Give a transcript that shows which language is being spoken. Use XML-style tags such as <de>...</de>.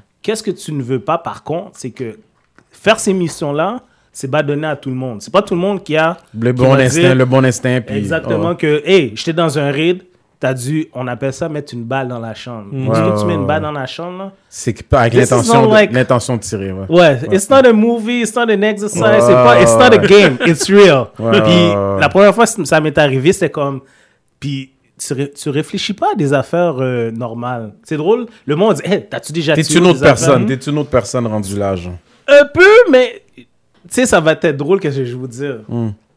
<fr>Qu'est-ce que tu ne veux pas, par contre, c'est que faire ces missions-là, c'est pas donné à tout le monde. C'est pas tout le monde qui a... Le bon instinct, dire, le bon instinct. Puis, exactement, oh. que, hey, j'étais dans un raid. T'as dû, on appelle ça mettre une balle dans la chambre. Wow. Dis-toi, tu mets une balle dans la chambre, là. C'est pas avec l'intention, like... l'intention de tirer. Ouais. Ouais.</fr> <en>ouais, it's not a movie, it's not an exercise, wow.</en> <fr>c'est pas,</fr> <en>it's not a game, it's real. Wow.</en> <fr>Puis la première fois que ça m'est arrivé, c'est comme. Puis tu réfléchis pas à des affaires normales. C'est drôle, le monde dit, hey, t'as-tu déjà tiré? T'es une autre personne, t'es une autre personne rendue là, genre. Un peu, mais tu sais, ça va être drôle, qu'est-ce que je vais vous dire. Mm.</fr>